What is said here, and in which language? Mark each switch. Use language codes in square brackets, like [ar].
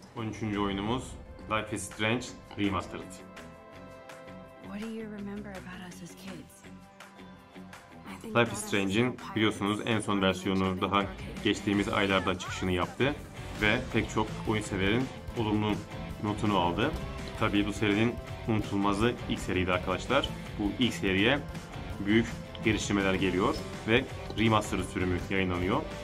[tr] Üçüncü oyunumuz Life is Strange Remastered. [en] What do you remember about us as kids? [tr] Life is Strange'in biliyorsunuz en son versiyonu daha geçtiğimiz aylarda çıkışını yaptı ve pek çok oyun severin olumlu notunu aldı. Tabii bu serinin unutulmazı ilk seriydi arkadaşlar. Bu ilk seriye büyük geliştirmeler geliyor ve remaster sürümü yayınlanıyor.